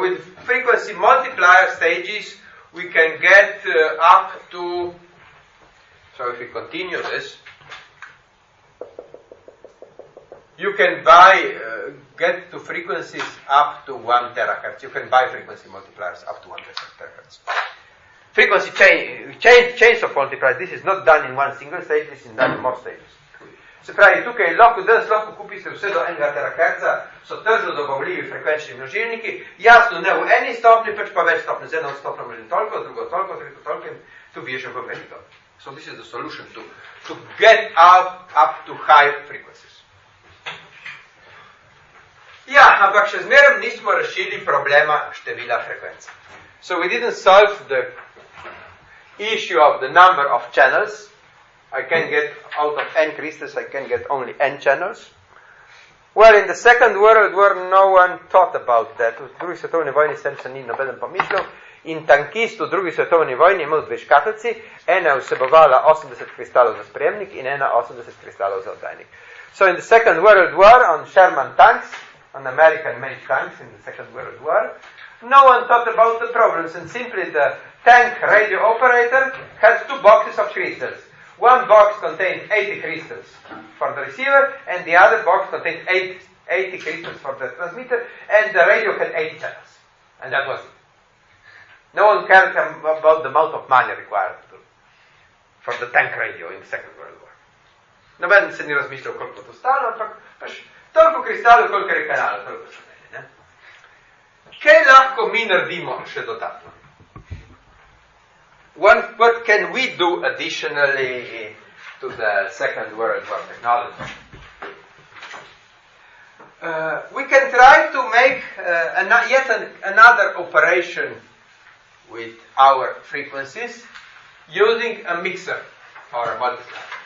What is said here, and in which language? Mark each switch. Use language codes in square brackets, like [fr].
[en] With frequency multiplier stages, we can get up to, so if we continue this, you can buy, get to frequencies up to 1 terahertz. You can buy frequency multipliers up to 1 terahertz. Frequency chains of multipliers, this is not done in one single stage, this is done in more stages. [sl] Se pravi, tukaj lahko, danes lahko kupite vse do 1 terahertza, so tržno dobavljivi frekvenčni množilniki, jasno, ne v eni stopni, pač pa več stopni, z eno stopno množi toliko, z drugo toliko, z tretjo toliko, tu bi je že povedal. [en] So this is the solution to get up to high frequencies. [sl] Ja, ampak še zmerem nismo rešili problema števila frekvence. [en] So we didn't solve the issue of the number of channels. I can get out of n crystals, I can get only n channels. Well, in the Second World War, no one thought about that. [sl] V drugi svetovni vojni sem se ni nobeden pomislil. In tankist v drugi svetovni vojni imel dve škatlici. Ena je vsebovala 80 kristalov za sprejemnik in ena 80 kristalov za oddajnik. [en] So in the Second World War, on Sherman tanks, on American made tanks in the Second World War, no one thought about the problems, and simply the tank radio operator had two boxes of crystals. One box contained 80 crystals for the receiver, and the other box contained 80 crystals for the transmitter, and the radio had 8 channels. And that was it. No one cared about the amount of money required for the tank radio in the Second World War. No one [sl] se ni razmišljal koliko to stalo, ampak toliko kristalov, koliko je kanalo, toliko so meni. Ne? Kaj lahko mi naredimo še dodatno? [en] What can we do additionally to the Second World War technology? We can try to make another operation with our frequencies using a mixer or a multiplier.